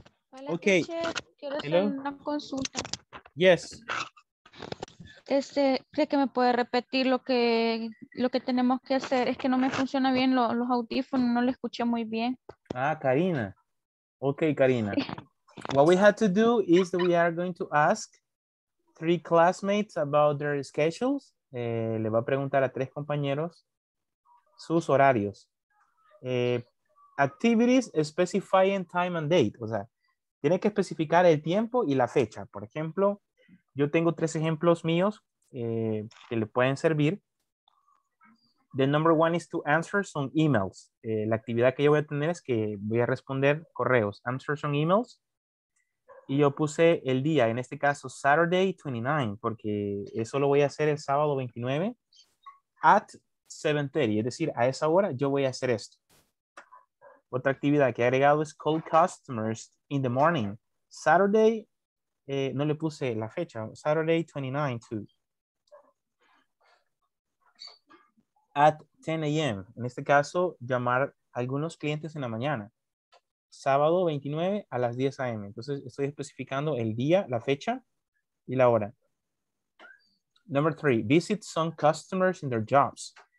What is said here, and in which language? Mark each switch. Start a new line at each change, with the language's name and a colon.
Spanish: Hola, okay. Quiero hacer una consulta.
English: Yes.
Spanish: ¿Cree que me puede repetir lo que tenemos que hacer? Es que no me funciona bien los audífonos, no lo escuché muy bien. Ah, Karina. Okay, Karina.
English: What we had to do is that we are going to ask three classmates about their schedules.
Spanish: Le va a preguntar a tres compañeros sus horarios.
English: Activities specifying time and date.
Spanish: O sea, tiene que especificar el tiempo y la fecha. Por ejemplo, yo tengo tres ejemplos míos que le pueden servir.
English: The number one is to answer some emails.
Spanish: La actividad que yo voy a tener es que voy a responder correos.
English: Answer some emails.
Spanish: Y yo puse el día, en este caso, Saturday 29, porque eso lo voy a hacer el sábado 29
English: at 7:30.
Spanish: Es decir, a esa hora yo voy a hacer esto. Otra actividad que he agregado es
English: call customers in the morning.
Spanish: Saturday, no le puse la fecha, Saturday 29 too.
English: At 10 a.m.
Spanish: En este caso, llamar a algunos clientes en la mañana. Sábado 29 a las 10 a.m. Entonces estoy especificando el día, la fecha y la hora.
English: Number three, visit some customers in their jobs.